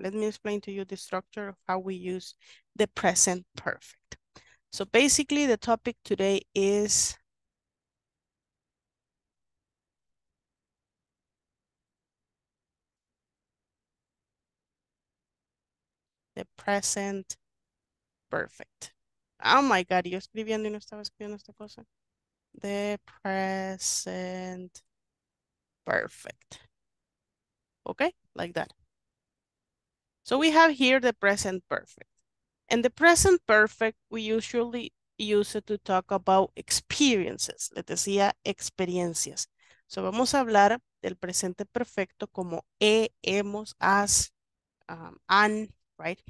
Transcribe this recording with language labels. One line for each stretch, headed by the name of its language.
English: Let me explain to you the structure of how we use the present perfect. So basically, the topic today is the present perfect. Oh my God,
Spanish: yo escribiendo y no estaba escribiendo esta cosa.
English: The present perfect. Okay, like that. So we have here the present perfect. And the present perfect, we usually use it to talk about experiences.
Spanish: Les decía experiencias. So vamos a hablar del presente perfecto como he, hemos, has, an, right?